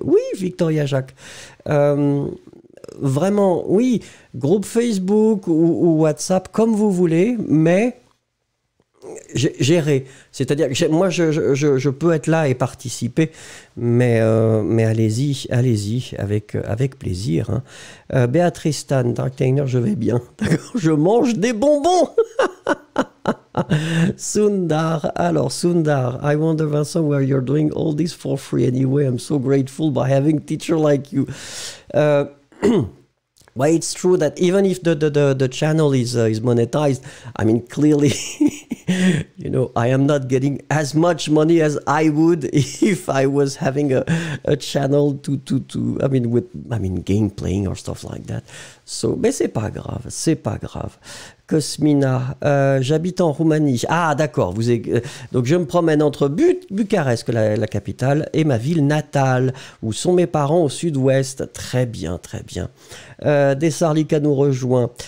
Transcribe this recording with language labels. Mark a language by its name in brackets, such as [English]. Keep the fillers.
[French] Oui, Victoria Jacques. Euh, vraiment, oui, groupe Facebook ou, ou WhatsApp, comme vous voulez, mais gérer. C'est-à-dire moi, je, je, je, peux être là et participer, mais, euh, mais allez-y, allez-y, avec, avec plaisir. Hein. Uh, Béatrice Tan, Darktainer, je vais bien. Je mange des bonbons. [English] Sundar, alors Sundar, I wonder Vincent, where you're doing all this for free anyway. I'm so grateful by having teacher like you. Euh, well, it's true that even if the, the, the, the channel is, uh, is monetized, I mean, clearly you know, I am not getting as much money as I would if I was having a, a channel to, to, to, I mean, with, I mean, game playing or stuff like that. [French] So, mais c'est pas grave, c'est pas grave. Cosmina, euh, j'habite en Roumanie. Ah, d'accord. Euh, donc je me promène entre Bucarest, la, la, capitale, et ma ville natale, où sont mes parents au sud-ouest. Très bien, très bien. Euh, Desarlika nous rejoint.